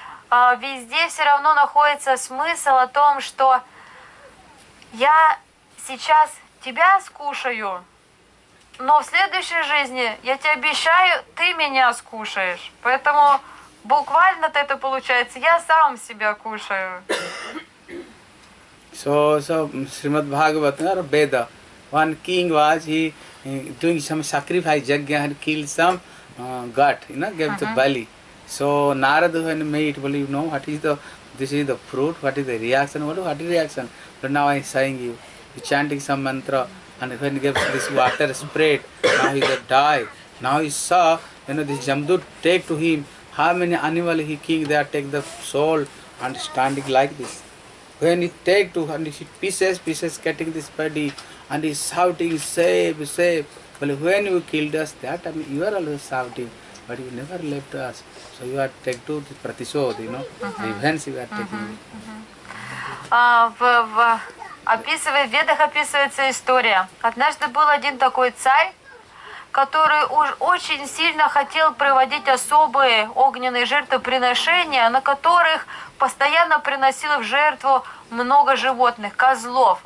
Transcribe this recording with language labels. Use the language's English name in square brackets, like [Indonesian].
[Russian] Везде все равно находится смысл о том, что я сейчас тебя скушаю, но в следующей жизни, я тебе обещаю, ты меня скушаешь. Поэтому буквально-то это получается, я сам себя кушаю. [English] So Srimad Bhagavatam, Veda. One king was, he doing some sacrifice, yajna, and killed some gut, you know, gave the belly. So Narada when made, well, you know, what is the, this is the fruit, what is the reaction, what is the reaction? But now I'm saying you. He chanting some mantra, and when he gives this water spread, now he will die. Now he saw, you know, this Jamdut take to him, how many animals he king there take the soul, and standing like this. When he take to, and he pieces getting this body, and he shouting, save. Well, when you killed us, that time you are also shouting. but you never left us. So you are taking to the pratishodh, you know, revenge you are taking. [Russian] Описывает, в Ведах описывается история. Однажды был один такой царь, который уж очень сильно хотел приводить особые огненные жертвоприношения, на которых постоянно приносил в жертву много животных, козлов.